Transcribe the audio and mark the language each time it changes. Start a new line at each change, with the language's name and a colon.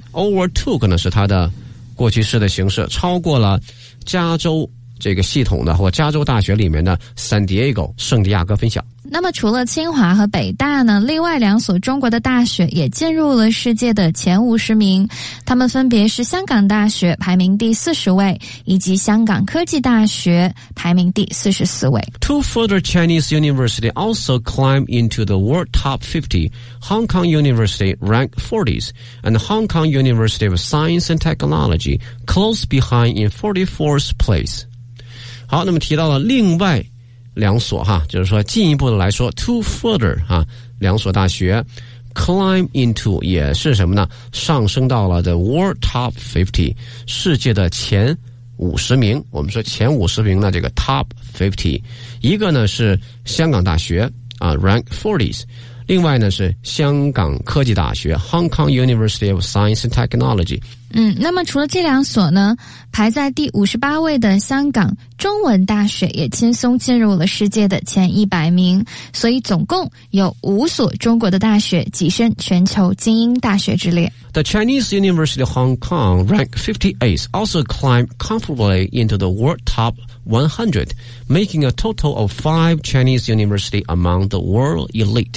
Chinese: overtook 呢是它的过去式的形式，超过了加州这个系统的或加州大学里面的 San Diego 圣地亚哥分校。那么除了清华和北大呢，另外两所中国的大学也进入了世界的前五十名，他们分别是香港大学排名第40位，以及香港科技大学排名第44位。
English: Two further Chinese universities also climb into the world top 50. Hong Kong University ranked 40s and Hong Kong University of Science and Technology close behind in 44th place。
Chinese: 好，那么提到了另外两所哈，就是说进一步的来说
English: two further
Chinese: 哈，两所大学
English: climb into
Chinese: 也是什么呢，上升到了
English: the world top 50，
Chinese: 世界的前五十名。我们说前五十名呢，这个 top 50， 一个呢是香港大学啊
English: rank 40s，
Chinese: 另外呢是香港科技大学 Hong Kong University of Science and Technology。嗯，那么除了这两所呢，排在第58位的香港中文大学也轻松进入了世界的前100名，所以总共有5所中国的大学跻身全球精英大学之列。
English: The Chinese University of Hong Kong ranked 58th also climbed comfortably into the world top 100, making a total of 5 Chinese universities among the world elite。